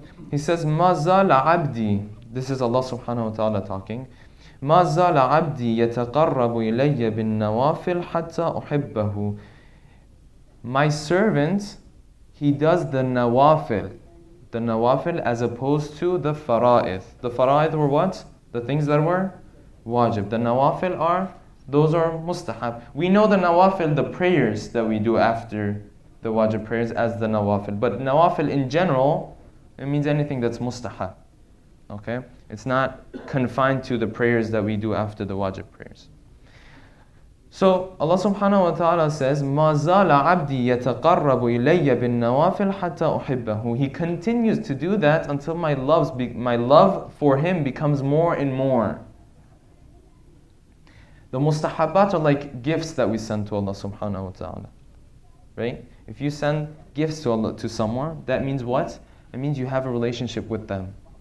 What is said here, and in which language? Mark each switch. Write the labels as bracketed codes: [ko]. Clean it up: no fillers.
[en] He says, [ar] مَا زَالَ عَبْدِي, [en] this is Allah subhanahu wa ta'ala talking, [ar] مَا زَالَ عَبْدِي يَتَقَرَّبُ إِلَيَّ بِالنَّوَافِلْ حَتَّى أُحِبَّهُ. [en] My servant, he does the nawafil. The nawafil as opposed to the fara'id. The fara'id were what? The things that were wajib. The nawafil are, those are mustahab. We know the nawafil, the prayers that we do after the wajib prayers as the nawafil. But nawafil in general, it means anything that's mustahab. Okay? It's not confined to the prayers that we do after the wajib prayers. So Allah subhanahu wa ta'ala says, [ar] مَا زَالَ عَبْدِي يَتَقَرَّبُ إِلَيَّ بِالنَّوَافِلْ حَتَّى أُحِبَّهُ. [en] He continues to do that until my love for him becomes more and more. The mustahabbat are like gifts that we send to Allah subhanahu wa ta'ala. Right? If you send gifts to Allah, to someone, that means what? It means you have a relationship with them.